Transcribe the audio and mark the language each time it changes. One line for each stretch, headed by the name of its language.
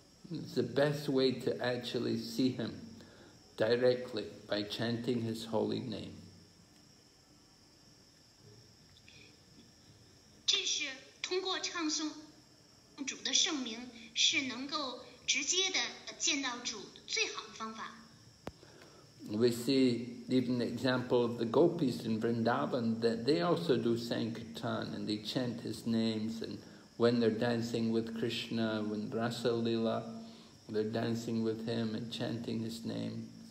English: It's the best way to actually see him directly by chanting his holy name.
Chinese: 通过唱诵主的圣名，是能够直接的见到主最好的方法。
English: We see even the example of the gopis in Vrindavan, that they also do Sankirtan, and they chant his names, and when they're dancing with Krishna, when Rasa Lila, they're dancing with him and chanting his name.